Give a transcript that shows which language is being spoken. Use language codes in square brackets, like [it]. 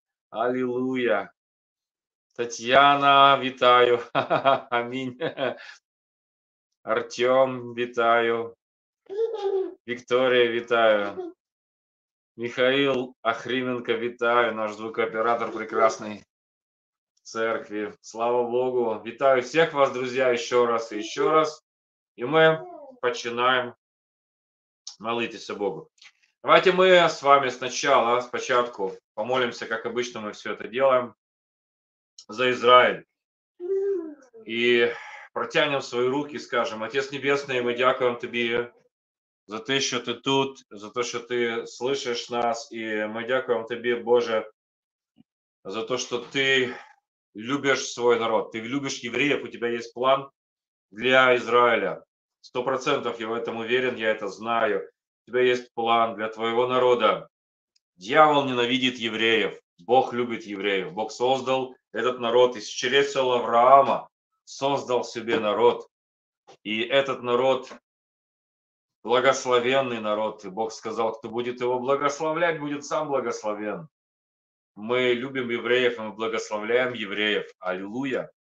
[ru] Аллилуйя. Татьяна, витаю. Аминь. Артем, витаю. Виктория, витаю. Михаил Ахрименко, витаю. Наш звукооператор прекрасный. церкви. Слава Богу! [uk] Вітаю всіх вас, друзі, ще раз і ще раз. І ми починаємо молитися Богу. Давайте ми з вами спочатку помолимося, як обычно ми все це робимо, за Ізраїль. І протягнемо свої руки і скажемо: Отець Небесний, ми дякуємо тобі за те, що ти тут, за те, що ти слышиш нас. І ми дякуємо тобі, Боже, за те, що ти любиш свой народ. Ти любиш євреїв, у тебе є план для Ізраїля. 100% я в цьому уверен, я це знаю. У тебе є план для твоєго народу. Дьявол ненавидить євреїв, Бог любить євреїв. [ru] Бог создав этот народ из чрева Авраама, создав себе народ. І этот народ благословенный народ, и Бог сказал, кто будет его благословлять, будет сам благословен. Мы любим евреев, и мы благословляем евреев. Аллилуйя!